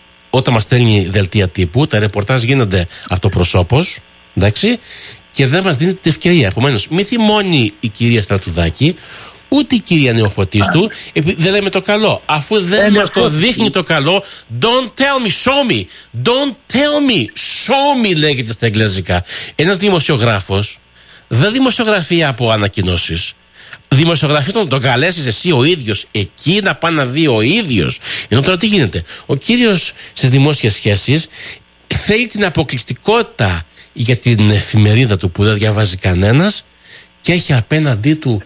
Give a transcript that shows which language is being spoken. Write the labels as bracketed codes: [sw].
[el] Όταν μας στέλνει δελτία τύπου, τα ρεπορτάζ γίνονται αυτοπροσώπως, εντάξει, και δεν μας δίνεται την ευκαιρία. Επομένως, μη θυμώνει η κυρία Στρατουδάκη, ούτε η κυρία Νεοφωτίστου, δεν λέμε το καλό. Αφού δεν μας το δείχνει το καλό, don't tell me, show me. [en] Don't tell me, show me, λέγεται στα αγγλικά. [el] Ένας δημοσιογράφος δεν δημοσιογραφεί από ανακοινώσεις. Δημοσιογραφεί τον καλέσεις εσύ ο ίδιος εκεί να πάει να δει ο ίδιος. Ενώ τώρα τι γίνεται. Ο κύριος στις δημόσιες σχέσεις θέλει την αποκλειστικότητα για την εφημερίδα του που δεν διαβάζει κανένας και έχει απέναντί του